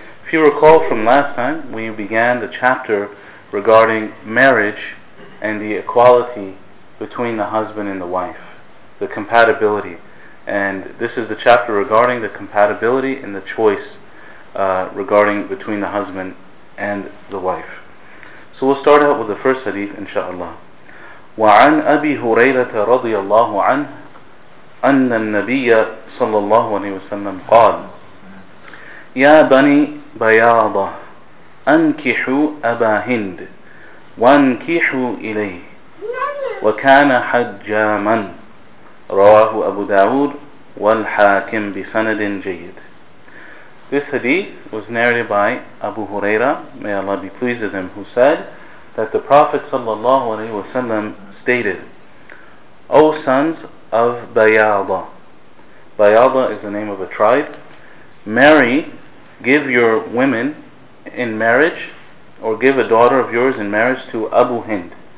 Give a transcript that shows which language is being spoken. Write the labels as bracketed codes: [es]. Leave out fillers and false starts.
[en] If you recall from last time, we began the chapter regarding marriage and the equality between the husband and the wife, the compatibility. And this is the chapter regarding the compatibility and the choice regarding between the husband and the wife. So we'll start out with the first hadith, inshaAllah. [ar] وَعَنْ أَبِي هُرَيْرَةَ رَضِيَ اللَّهُ عَنْهُ أَنَّ النَّبِيَّ صَلَّى اللَّهُ عَلَيْهِ وَسَلَّمْ قَالْ يا بني بياضة أنكحوا أبا هند وانكحوا إليه وكان حجاما رواه أبو داود والحاكم بسند جيد. [en] This hadith was narrated by Abu Huraira, may Allah be pleased with him, who said that the Prophet [ar] صلى الله عليه وسلم [en] stated, O sons of Bayada, Bayada is the name of a tribe, marry, give your women in marriage, or give a daughter of yours in marriage to Abu Hind.